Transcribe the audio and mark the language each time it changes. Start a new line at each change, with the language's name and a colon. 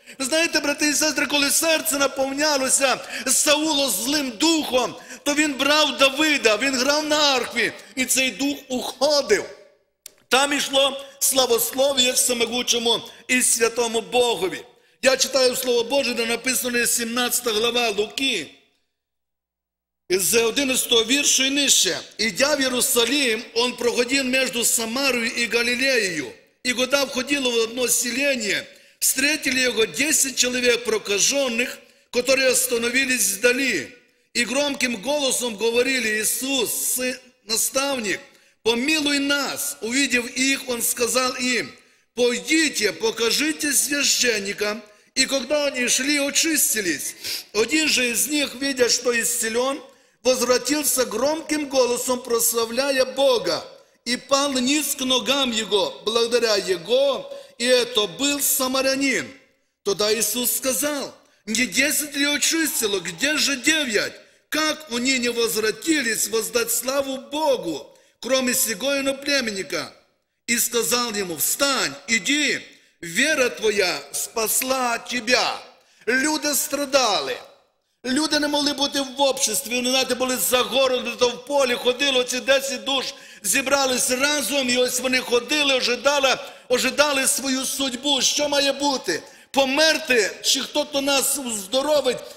Ukrainian: Знаєте, брати і сестри, коли серце наповнялося Саулом злим духом, то він брав Давида, він грав на арфі, і цей дух уходив. Там йшло славослов'я всемогучому і святому Богові. Я читаю Слово Боже, де написано 17 глава Луки, з 11 віршу і нижче. «Ідя в Єрусалим,
Russian: он проходил между Самарою и Галилеєю,
Ukrainian: і куда входило
Russian: в одно селение, встретили
Ukrainian: його
Russian: 10 человек прокаженных, которые остановились вдали, и громким голосом говорили: Иисус, сын, наставник, помилуй нас. Увидев их, он сказал им: пойдите, покажите священникам. И когда они шли, очистились. Один же из них, видя, что исцелен, возвратился громким голосом, прославляя Бога, и пал низ к ногам Его, благодаря Его, и это был самарянин. Тогда Иисус сказал: не 10 ли очистило, где же 9? Как они не возвратились воздать славу Богу, кроме сего иноплеменника? И сказал ему: встань, иди, вера твоя спасла тебя. Люди страдали.
Ukrainian: Люди не могли бути в обществі, вони навіть були за городом, то в полі ходили, оці 10 душ зібрались разом, і ось вони ходили, ожидали свою судьбу. Що має бути? Померти? Чи хто-то нас уздоровить?